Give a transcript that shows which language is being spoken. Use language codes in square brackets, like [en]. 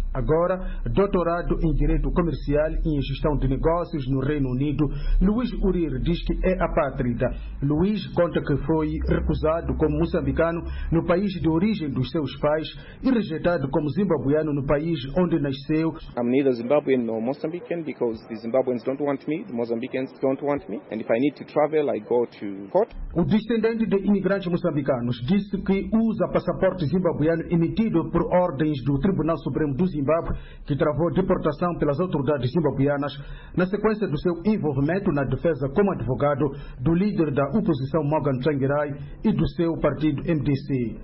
[pt] Agora, doutorado em Direito Comercial e em Gestão de Negócios no Reino Unido, Luiz Urir diz que é apátrida. Luiz conta que foi recusado como moçambicano no país de origem dos seus pais e rejeitado como zimbabuiano no país onde nasceu. [en] I'm neither Zimbabwean nor Mozambican because the Zimbabweans don't want me, the Mozambicans don't want me, and if I need to travel, I go to court. [pt] O descendente de imigrantes moçambicanos disse que usa passaporte zimbabuiano emitido por ordens do Tribunal Supremo do Zimbábue, que travou deportação pelas autoridades zimbabuianas, na sequência do seu envolvimento na defesa como advogado do líder da oposição Morgan Tsvangirai e do seu partido MDC.